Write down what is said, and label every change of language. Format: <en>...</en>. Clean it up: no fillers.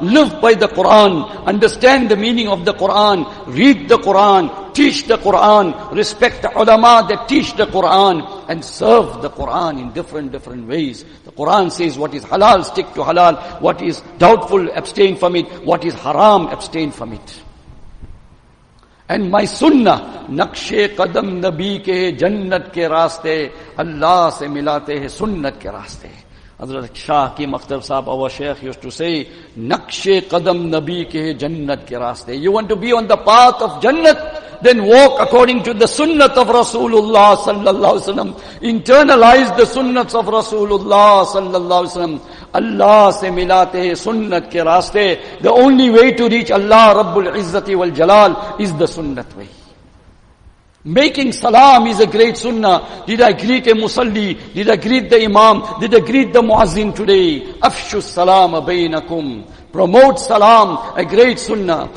<en>Live by the Quran. Understand the meaning of the Quran. Read the Quran. Teach the Quran. Respect the ulama that teach the Quran. And serve the Quran in different ways. The Quran says what is halal, stick to halal. What is doubtful, abstain from it. What is haram, abstain from it. And my sunnah,</en> <ur>نقشِ قدم نبی کے جنت کے راستے اللہ سے ملاتے ہیں سنت کے راستے. حضرت شاہ کی مکتب صاحب اور شیخ</ur> <en>used to say,</en> <ur>نقشِ قدم نبی کے جنت کے راستے.</ur> <en>You want to be on the path of jannat, then walk according to the sunnat of Rasulullah صلی اللہ علیہ وسلم. Internalize the sunnats of Rasulullah صلی اللہ علیہ وسلم.</en> <ur>اللہ سے ملاتے ہیں سنت کے راستے.</ur> <en>The only way to reach Allah رب العزت والجلال is the sunnat way. Making salam is a great sunnah. Did I greet a musalli? Did I greet the imam? Did I greet the muazzin today? Afshu salam bainakum. Promote salam, a great sunnah.</en>